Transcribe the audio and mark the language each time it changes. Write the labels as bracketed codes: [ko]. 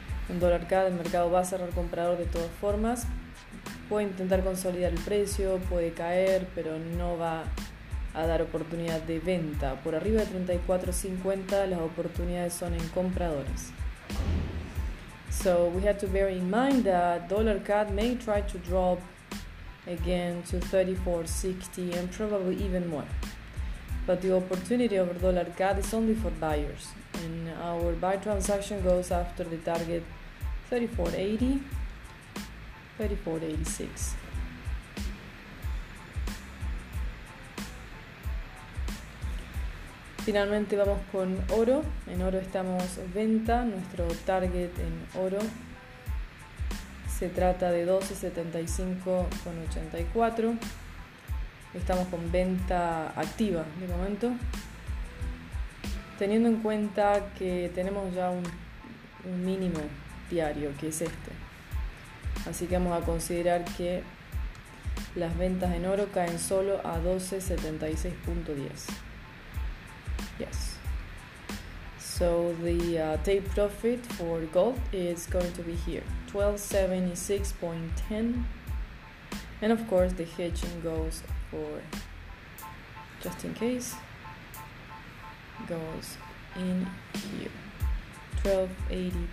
[es] En dólar CAD el mercado va a cerrar comprador de todas formas. Puede intentar consolidar el precio, puede caer, pero no va a dar oportunidad de venta. Por arriba de 34.50 las oportunidades son en compradores. [en] So we have to bear in mind that dollar CAD may try to drop again to 34.60 and probably even more. But the opportunity over dollar CAD is only for buyers, and our buy transaction goes after the target 34.80 34.86. [es] Finalmente vamos con oro. En oro estamos venta. Nuestro target en oro se trata de 12.75.84. Estamos con venta activa de momento. Teniendo en cuenta que tenemos ya un mínimo diario, que es este. Así que vamos a considerar que las ventas en oro caen solo a 12.76.10. [en] Yes. So the take profit for gold is going to be here, 1276.10, and of course the hedging goes for, just in case, goes in here, 1282.12.